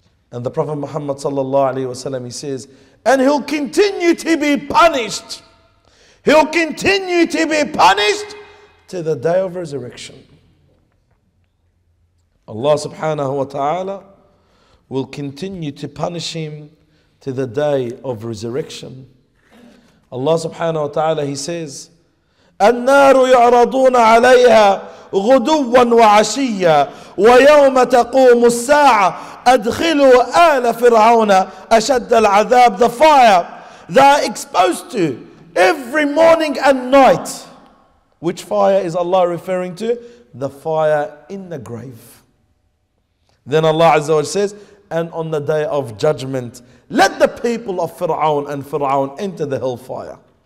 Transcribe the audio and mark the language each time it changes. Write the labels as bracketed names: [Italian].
[English] And the Prophet Muhammad sallallahu alaihi wasallam, he says, and he'll continue to be punished. He'll continue to be punished to the day of resurrection. Allah subhanahu wa ta'ala will continue to punish him to the day of resurrection. Allah subhanahu wa ta'ala, he says, [Arabic] النار يعرضون عليها غدوا وعشيا ويوم تقوم الساعة أدخلوا آل فرعون أشد العذاب. [English] The fire they are exposed to every morning and night. Which fire is Allah referring to? The fire in the grave. Then Allah Azza wa Jalla says, and on the day of judgment, let the people of Fir'aun and Fir'aun enter the hellfire.